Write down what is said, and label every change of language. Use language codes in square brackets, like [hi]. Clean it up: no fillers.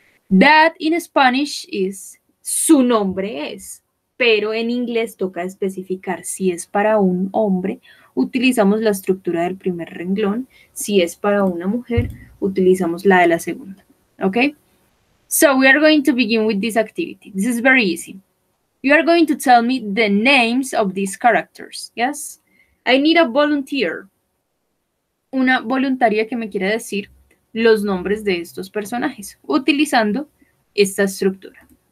[en] That in Spanish is, [es] su nombre es, pero en inglés toca especificar si es para un hombre, utilizamos la estructura del primer renglón, si es para una mujer, utilizamos la de la segunda, okay? [en] So we are going to begin with this activity. This is very easy. You are going to tell me the names of these characters, yes? I need a volunteer, [es] una voluntaria que me quiera decir los nombres de estos personajes, utilizando esta estructura.